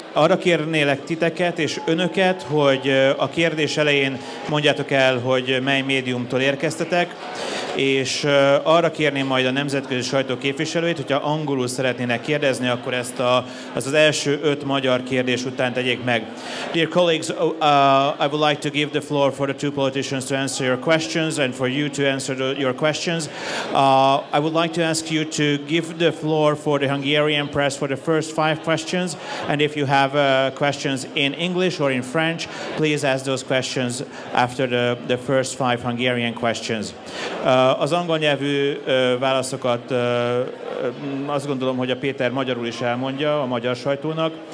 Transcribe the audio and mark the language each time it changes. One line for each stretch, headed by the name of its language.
Hungarian: Arra kérnélek titeket és önöket, hogy a kérdés elején mondjátok el, hogy mely médiumtól érkeztetek, és arra kérném majd a nemzetközi sajtó képviselőit, hogyha angolul szeretnének kérdezni, akkor ezt az első öt magyar kérdés után tegyék meg.
English: Dear colleagues, I would like to give the floor for the two politicians to answer your questions and for you to answer your questions. I would like to ask you to give the floor for the Hungarian press for the first five questions, and if you have questions in English or in French, please ask those questions after the first five Hungarian questions.
Hungarian: Az angol nyelvű válaszokat azt gondolom, hogy a Péter magyarul is elmondja a magyar sajtónak.